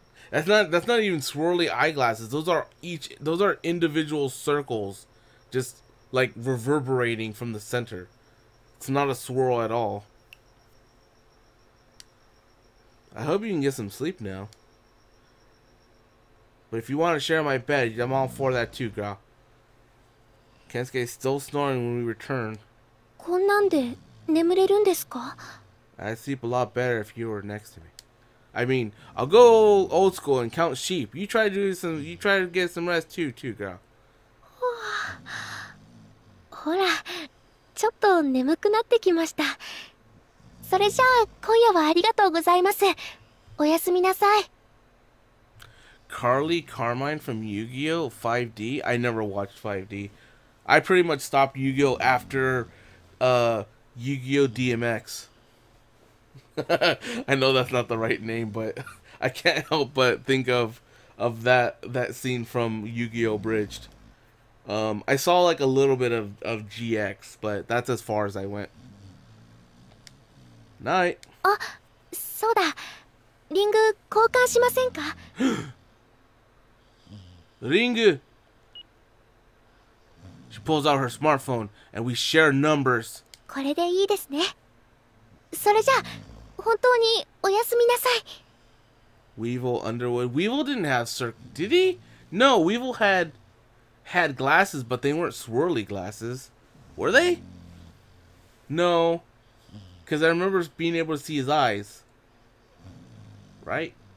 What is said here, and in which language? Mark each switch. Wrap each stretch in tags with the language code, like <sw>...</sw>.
<en>That's not even swirly eyeglasses. Those are individual circles just like reverberating from the center. It's not a swirl at all. I hope you can get some sleep now. But if you want to share my bed, I'm all for that too, girl. Kensuke is still snoring when we return.</en> <ja>こんなんで眠れるんですか?</ja> <en>I'd sleep a lot better if you were next to me. I mean, I'll go old school and count sheep. You try to get some rest too, girl.</en> <ja>ほら、ちょっと眠くなってきました。それじゃあ、今夜はありがとうございます。おやすみなさい。</ja> <en>Carly Carmine from Yu-Gi-Oh! 5D? I never watched 5D. I pretty much stopped Yu-Gi-Oh! After Yu-Gi-Oh! DMX. I know that's not the right name, but I can't help but think of that scene from Yu-Gi-Oh! Bridged. I saw like a little bit of GX, but that's as far as I went. Night!</en> <ja>Oh, so da! Ringu, 交換しませんか? Ringu!</ja> <en>She pulls out her smartphone and we share numbers.</en> <ja>これでいいですね。それじゃ、本当におやすみなさい。</ja> <en>Weevil Underwood. Weevil didn't have did he? No, Weevil had glasses, but they weren't swirly glasses. Were they? No. Because I remember being able to see his eyes. Right?</en>